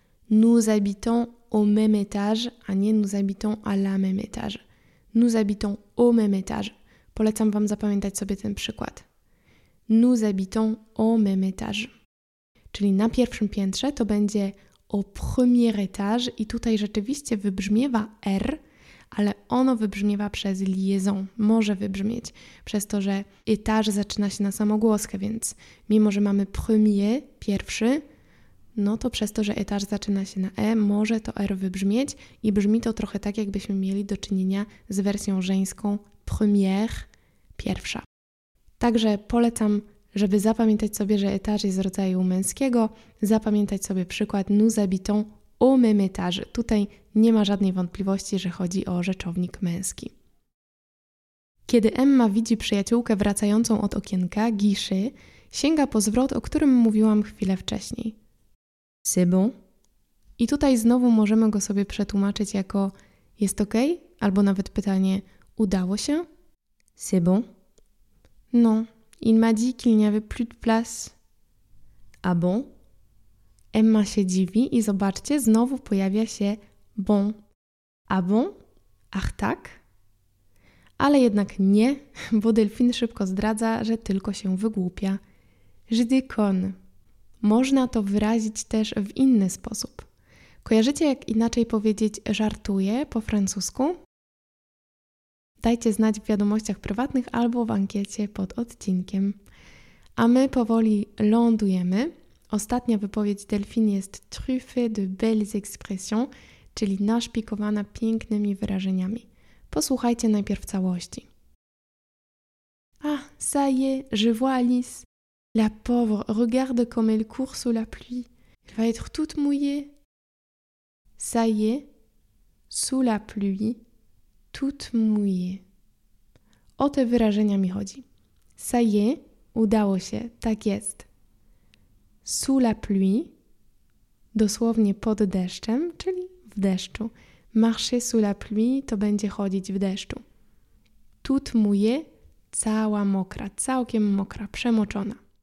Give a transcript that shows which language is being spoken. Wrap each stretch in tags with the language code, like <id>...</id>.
<fr>Nous habitons au même étage,</fr> <pl>a nie</pl> <fr>nous habitons à la même étage. Nous habitons au même étage.</fr> <pl>Polecam wam zapamiętać sobie ten przykład.</pl> <fr>Nous habitons au même étage.</fr> <pl>Czyli na pierwszym piętrze to będzie</pl> <fr>au premier étage</fr> <pl>i tutaj rzeczywiście wybrzmiewa R, ale ono wybrzmiewa przez liaison. Może wybrzmieć przez to, że étage zaczyna się na samogłoskę, więc mimo, że mamy premier, pierwszy, no to przez to, że etaż zaczyna się na E, może to R wybrzmieć i brzmi to trochę tak, jakbyśmy mieli do czynienia z wersją żeńską première, pierwsza. Także polecam, żeby zapamiętać sobie, że etaż jest rodzaju męskiego, zapamiętać sobie przykład</pl> <fr>nous habitons au même étage.</fr> <pl>Tutaj nie ma żadnej wątpliwości, że chodzi o rzeczownik męski. Kiedy Emma widzi przyjaciółkę wracającą od okienka, Guichet, sięga po zwrot, o którym mówiłam chwilę wcześniej.</pl> <fr>C'est bon.</fr> <pl>I tutaj znowu możemy go sobie przetłumaczyć jako jest ok? Albo nawet pytanie udało się?</pl> <fr>C'est bon. Non, il m'a dit qu'il n'y avait plus de place. A bon?</fr> <pl>Emma się dziwi i zobaczcie, znowu pojawia się bon.</pl> <fr>A bon?</fr> <pl>Ach tak? Ale jednak nie, bo Delphine szybko zdradza, że tylko się wygłupia.</pl> <fr>Je déconne.</fr> <pl>Można to wyrazić też w inny sposób. Kojarzycie, jak inaczej powiedzieć żartuję po francusku? Dajcie znać w wiadomościach prywatnych albo w ankiecie pod odcinkiem. A my powoli lądujemy. Ostatnia wypowiedź Delphine jest</pl> <fr>truffée de belles expressions,</fr> <pl>czyli naszpikowana pięknymi wyrażeniami. Posłuchajcie najpierw całości.</pl> <fr>Ah, ça y est, je vois Alice. La pauvre, regarde comme elle court sous la pluie. Elle va être toute mouillée. Ça y est, sous la pluie, toute mouillée.</fr> <pl>O te wyrażenia mi chodzi.</pl> <fr>Ça y est,</fr> <pl>udało się, tak jest.</pl> <fr>Sous la pluie,</fr> <pl>dosłownie pod deszczem, czyli w deszczu.</pl> <fr>Marcher sous la pluie,</fr> <pl>to będzie chodzić w deszczu.</pl> <fr>Toute mouillée,</fr> <pl>cała mokra, całkiem mokra, przemoczona.</pl>